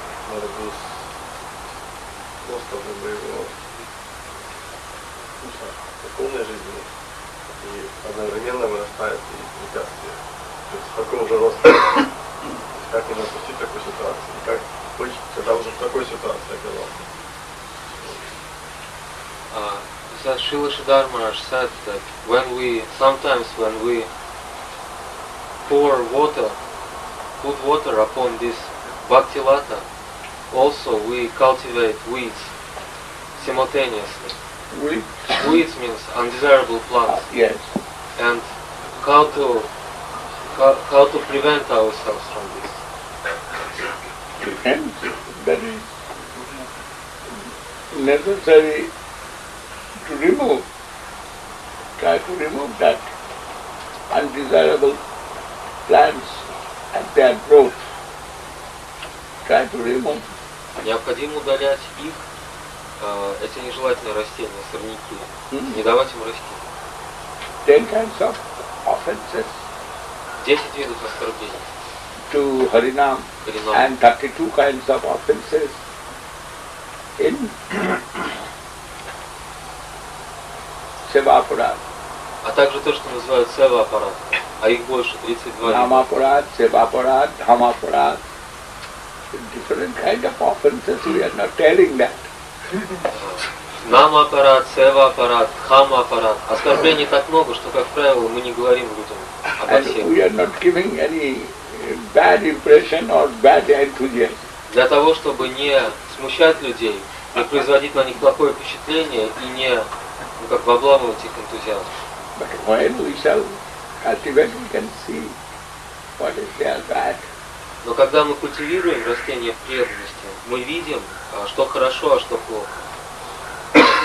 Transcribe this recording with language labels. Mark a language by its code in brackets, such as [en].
[ru] Надо было просто выбрать его. вкусно, это полная жизнь. И одновременно вырастает и препятствие. То есть какого же роста, как не допустить такую ситуацию, и как быть, когда уже в такой ситуации оказался. [en] Шрила Шридхар said that when we sometimes when we pour water, put water upon this bhakti lata, also we cultivate weeds simultaneously. Weeds means undesirable plants. Yes. And how to prevent ourselves from this? Prevent? That is necessary. Try to remove that undesirable plants at their growth. Try to remove. [ru] Необходимо удалять их, эти нежелательные растения, сорняки, не давать им расти. [en] 10 kinds of offenses. [ru] 10 видов оскорблений. [en] To Harinam. And 32 kinds of offenses in Севапарад. [ru] А также то, что называют Севапарад. А их больше 32. Намапарад, Севапарад, Хамапарад. [en] Different kind of offenses, we are not telling that. [ru] Намапарад, Севапарад, Хамапарад. Оскорблений так много, что, как правило, мы не говорим людям обо всем. [en] We are not giving any bad impression or bad enthusiasm. [ru] Для того, чтобы не смущать людей, не производить на них плохое впечатление и не... Ну, как бы обламывать их энтузиазм. [en] But when we shall cultivate, we can see what is their bad. [ru] Но когда мы культивируем растения в преданности, мы видим, что хорошо, а что плохо.